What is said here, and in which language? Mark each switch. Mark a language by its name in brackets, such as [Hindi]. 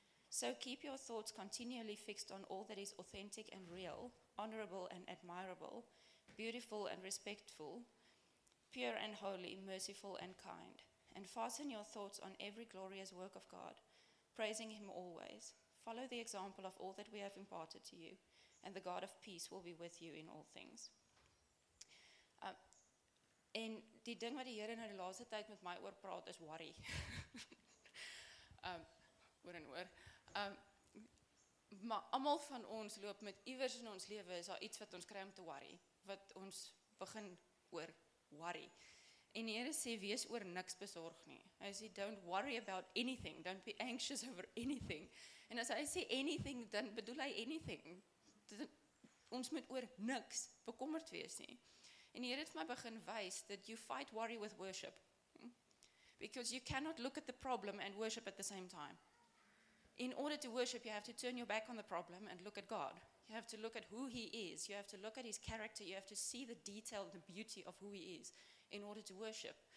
[English] So keep your thoughts continually fixed on all that is authentic and real, honorable and admirable, beautiful and respectful, pure and holy, merciful and kind. And fasten your thoughts on every glorious work of God, praising him always. Follow the example of all that we have imparted to you, and the God of peace will be with you in all things." [Afrikaans] En die ding wat die Here nou die laaste tyd met my oor praat is worry. oor en oor. Maar almal van ons loop met iewers in ons lewe is daar iets wat ons kry om te worry, wat ons begin oor worry. En die Here sê, wees oor niks besorg nie. Hy sê, [English] don't worry about anything. Don't be anxious over anything. [Afrikaans] En as hy sê anything, dan bedoel hy anything. Ons moet oor niks bekommerd wees nie. En die Here het my begin wys, [English] that you fight worry with worship. Because you cannot look at the problem and worship at the same time. In order to worship, you have to turn your back on the problem and look at God. You have to look at who he is. You have to look at his character. You have to see the detail, the beauty of who he is in order to worship.